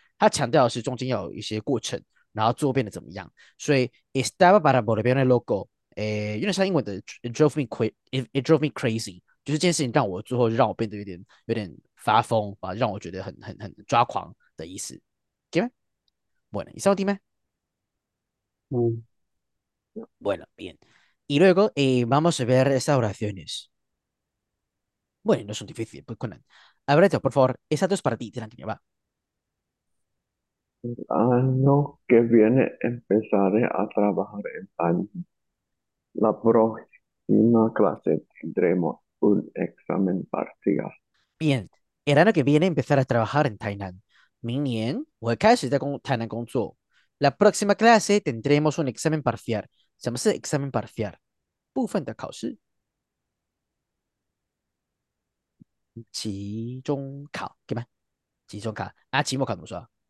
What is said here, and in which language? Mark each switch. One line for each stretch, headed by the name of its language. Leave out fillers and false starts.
Chinese: 他强调的是中间要有一些过程，然后最后变得怎么样。所以
Spanish: estaba para volverme loco。
Chinese: 诶，有点像英文的
English: "it drove me crazy"，
Chinese: 就是这件事情让我最后让我变得有点发疯啊，让我觉得很抓狂的意思。
Spanish: OK 吗？Bueno, ¿y sabes qué ？Bueno, bien. Y luego, vamos a ver esas oraciones. Bueno, no son difíciles, pues con. A ver, por favor, esa dos para ti, tranquila, va. El año que viene empezaré a trabajar en año. La próxima clase tendremos un examen parcial. Bien, el año que viene empezaré a trabajar en Tainan.
Chinese: 明年我开始在Tainan 工作。
Spanish: La próxima clase tendremos un examen parcial.
Chinese: 什么是
Spanish: examen parcial？
Chinese: 部分的考试，期中考，对吗？期中考啊，期末考怎么说？